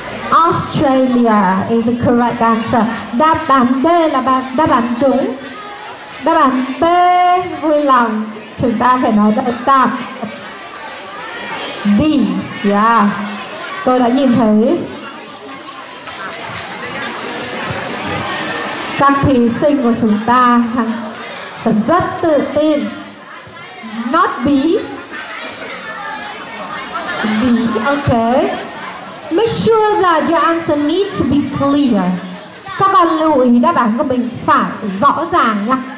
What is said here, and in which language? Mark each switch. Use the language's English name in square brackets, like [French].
[English] Australia is the correct answer. [Vietnamese] Đáp án D là đáp án đúng. Đáp án B, vui lòng, chúng ta phải nói đáp án tạm. D. Yeah. Tôi đã nhìn thấy các thí sinh của chúng ta rất tự tin. [English] Not B. D. Okay. Make sure that your answer needs to be clear. [Vietnamese] Các bạn lưu ý đáp án của mình phải rõ ràng nha.